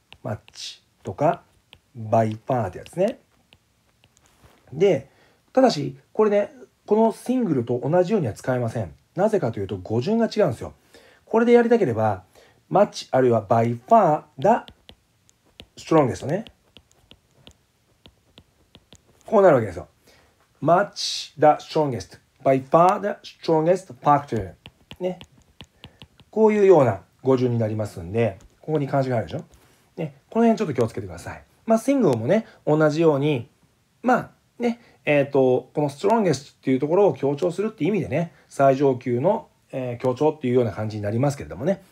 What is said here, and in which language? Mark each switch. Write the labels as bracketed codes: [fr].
[ja] マッチとか、バイファーってやつね。で、ただし、これね、このシングルと同じようには使えません。なぜかというと、語順が違うんですよ。これでやりたければ、マッチあるいはバイファーだ、ストロングですよね。こうなるわけですよ。 [en] Match the strongest, by far the strongest factor. [ja] ね。こういうような語順になりますんで、ここに漢字があるでしょ。ね。この辺ちょっと気をつけてください。まあ、single もね、同じように、まあ、ね、この strongest っていうところを強調するっていう意味でね、最上級の、強調っていうような感じになりますけれどもね。